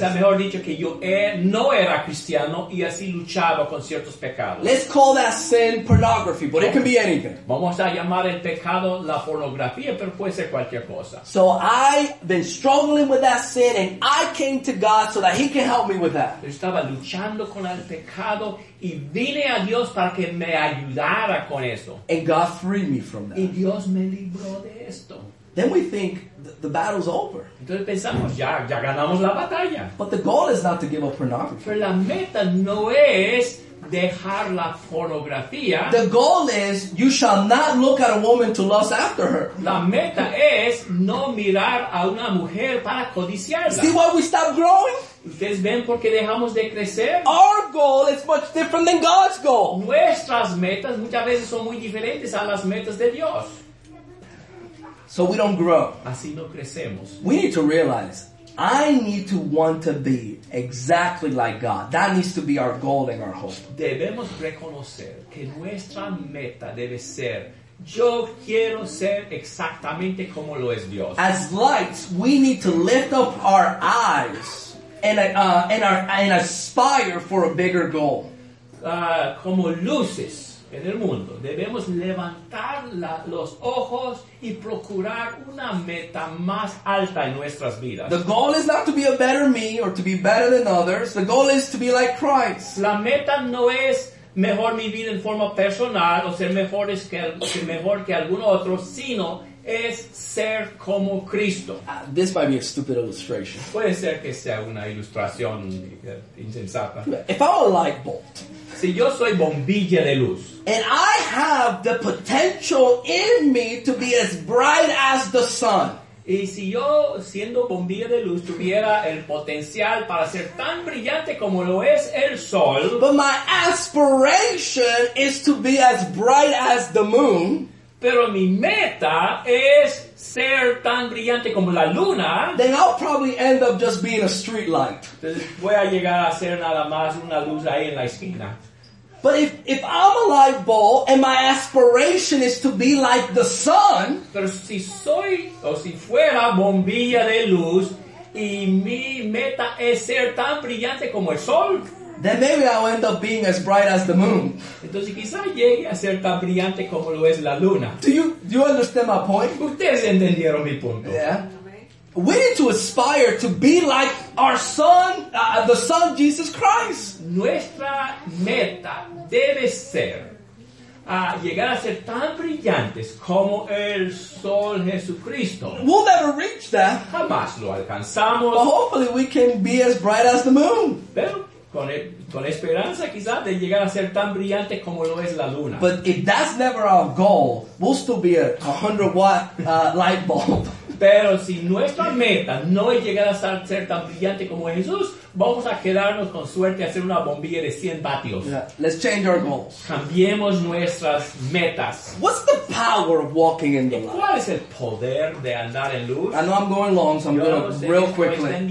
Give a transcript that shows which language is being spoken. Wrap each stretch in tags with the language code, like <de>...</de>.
<es>Quizá mejor dicho que yo no era cristiano y así luchaba con ciertos pecados.</es> <en>Let's call that sin pornography, but it can be anything.</en> <es>Vamos a llamar el pecado la pornografía, pero puede ser cualquier cosa.</es> <en>So I've been struggling with that sin and I came to God so that He can help me with that.</en> <es>Yo estaba luchando con el pecado y vine a Dios para que me ayudara con eso.</es> <en>And God freed me from that.</en> <es>Y Dios me libró de esto.</es> <en>Then we think the battle's over.</en> <es>Entonces pensamos, ya ganamos la batalla.</es> <en>But the goal is not to give up pornography.</en> <es>Pero la meta no es dejar la pornografía.</es> <en>The goal is you shall not look at a woman to lust after her.</en> <es>La meta es no mirar a una mujer para codiciarla.</es> <en>See why we stop growing?</en> <es>¿Ustedes ven por qué dejamos de crecer?</es> <en>Our goal is much different than God's goal.</en> <es>Nuestras metas muchas veces son muy diferentes a las metas de Dios.</es> <en>So we don't grow.</en> <es>Así no crecemos.</es> <en>We need to realize, I need to want to be exactly like God. That needs to be our goal and our hope.</en> <es>Debemos reconocer que nuestra meta debe ser, yo quiero ser exactamente como lo es Dios.</es> <en>As lights, we need to lift up our eyes and aspire for a bigger goal.</en> <es>Como luces, en el mundo, debemos levantar los ojos y procurar una meta más alta en nuestras vidas.</es> <en>The goal is not to be a better me or to be better than others. The goal is to be like Christ.</en> <es>La meta no es mejor mi vida en forma personal o ser mejores que mejor que algún otro, sino es ser como Cristo.</es> <en>This might be a stupid illustration.</en> <es>Puede ser que sea una ilustración insensata.</es> <en>If I'm a light bulb,</en> <es>si yo soy bombilla de luz,</es> <en>and I have the potential in me to be as bright as the sun,</en> <es>y si yo siendo bombilla de luz tuviera el potencial para ser tan brillante como lo es el sol,</es> <en>but my aspiration is to be as bright as the moon,</en> <es>pero mi meta es ser tan brillante como la luna,</es> <en>then I'll probably end up just being a street light.</en> <es>Voy a llegar a ser nada más una luz ahí en la esquina.</es> <en>But if I'm a light bulb and my aspiration is to be like the sun,</en> <es>pero si soy o si fuera bombilla de luz y mi meta es ser tan brillante como el sol,</es> <en>then maybe I'll end up being as bright as the moon.</en> <es>Entonces quizá llegue a ser tan brillante como lo es la luna.</es> <en>Do you understand my point?</en> <es>Ustedes entendieron mi punto.</es> <en>Yeah. We need to aspire to be like our son, the son Jesus Christ.</en> <es>Nuestra meta debe ser llegar a ser tan brillantes como el sol Jesucristo.</es> <en>We'll never reach that.</en> <es>Jamás lo alcanzamos.</es> <en>But hopefully we can be as bright as the moon.</en> <es>Pero con esperanza quizás de llegar a ser tan brillante como lo es la luna.</es> <en>But if that's never our goal, we'll still be a 100 watt light bulb.</en> <es>Pero si nuestra meta no es llegar a ser tan brillante como Jesús, vamos a quedarnos con suerte a ser una bombilla de 100 vatios.</es> <en>Yeah. Let's change our goals.</en> <es>Cambiemos nuestras metas.</es> <en>What's the power of walking in the light?</en> <es>¿Cuál es el poder de andar en luz?</es> <en>I know I'm going long, so I'm going real quickly.</en>